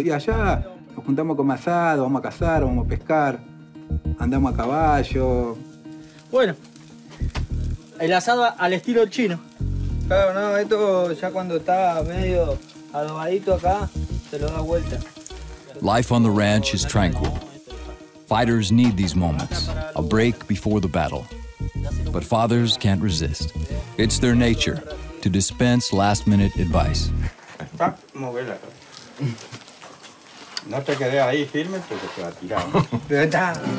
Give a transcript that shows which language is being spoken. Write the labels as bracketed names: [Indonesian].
[Spanish] Y allá nos juntamos a comer asado, vamos a cazar, vamos a pescar. Andamos a caballo. Bueno, el asado al estilo chino. Claro, no, esto ya cuando está medio adobadito acá, se lo da vuelta. [English] Life on the ranch is tranquil. Fighters need these moments, a break before the battle. But fathers can't resist. It's their nature to dispense last-minute advice. [Spanish] No te quedes ahí firme porque te va a tirar.